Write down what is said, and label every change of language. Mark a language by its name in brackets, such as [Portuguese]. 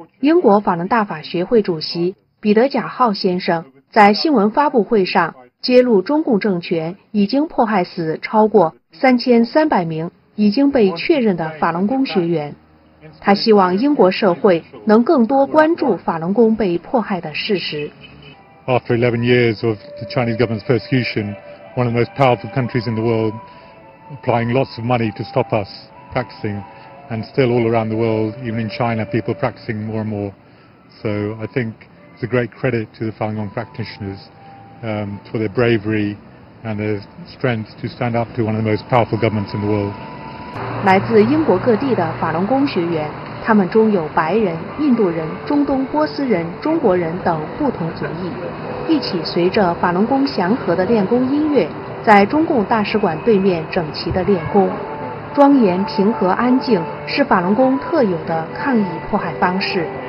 [Chinese] 英国法轮大法学会主席彼得贾浩先生在新闻发布会上揭露中共政权已经迫害死超过3300名已经被确认的法轮功学员。他希望英国社会能更多关注法轮功被迫害的事实。 [English] After 11 years of the Chinese government's persecution, one of the most powerful countries in the world, applying lots of money to stop us practicing, and still all around the world, even in China, people practicing more and more. So I think it's a great credit to the Falun Gong practitioners, for their bravery and their strength to stand up to one of the most powerful governments in the world. [Chinese] 来自英国各地的法轮功学员，他们中有白人、印度人、中东波斯人、中国人等不同族裔，一起随着法轮功祥和的练功音乐，在中共大使馆对面整齐地练功。庄严、平和、安静是法轮功特有的抗议迫害方式。